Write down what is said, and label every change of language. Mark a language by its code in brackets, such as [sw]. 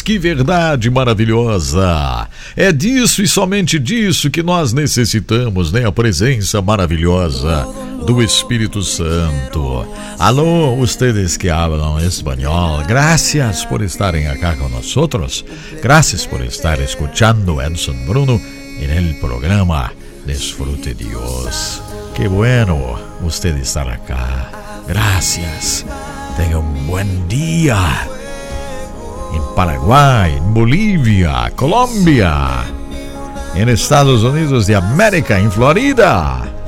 [pt] Que verdade maravilhosa. É disso e somente disso que nós necessitamos, né? A presença maravilhosa do Espírito Santo. [es] Alô, ustedes que hablam espanhol. Gracias por estarem acá con nosotros. Gracias por estar escuchando Edson Bruno en el programa Desfrute Dios. Que bueno usted estar acá. Gracias. [pt] Tenha um bom dia em Paraguai, em Bolívia, Colômbia, em Estados Unidos de América, em Florida.